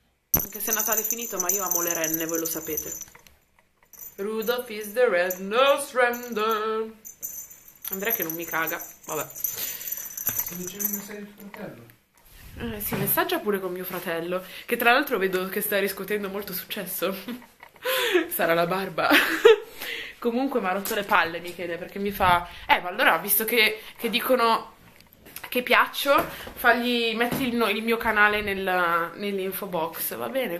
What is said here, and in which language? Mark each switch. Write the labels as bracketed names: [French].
[Italian] Anche se Natale è finito, ma io amo le renne, voi lo sapete. [English] Rudolph is the red nose reindeer. [Italian] Andrea che non mi caga, vabbè. Non c'è il messaggio fratello? Sì, messaggia pure con mio fratello, che tra l'altro vedo che sta riscuotendo molto successo. Sarà la barba. Comunque mi ha rotto le palle Michele, perché mi fa... ma allora, visto che dicono che piaccio, metti il mio canale nell'info box, va bene?